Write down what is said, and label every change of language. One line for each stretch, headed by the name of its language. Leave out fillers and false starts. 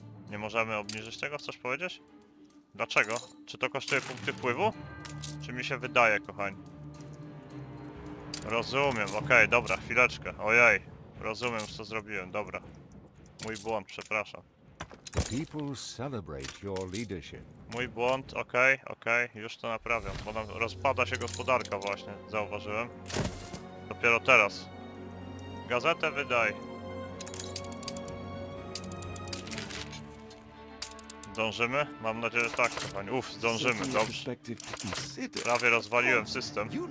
Polish: Nie możemy obniżyć tego? Chcesz powiedzieć? Dlaczego? Czy to kosztuje punkty wpływu? Czy mi się wydaje, kochani? Rozumiem, okej, dobra, chwileczkę. Ojej, rozumiem, co zrobiłem, dobra. Mój błąd, przepraszam.
English: People celebrate your leadership.
Polish: Mój błąd, okej, okej, już to naprawiam, bo nam rozpada się gospodarka właśnie, zauważyłem. Dopiero teraz. Gazetę wydaj. Zdążymy? Mam nadzieję, że tak, kochani. Uff, zdążymy, dobrze. Prawie rozwaliłem system.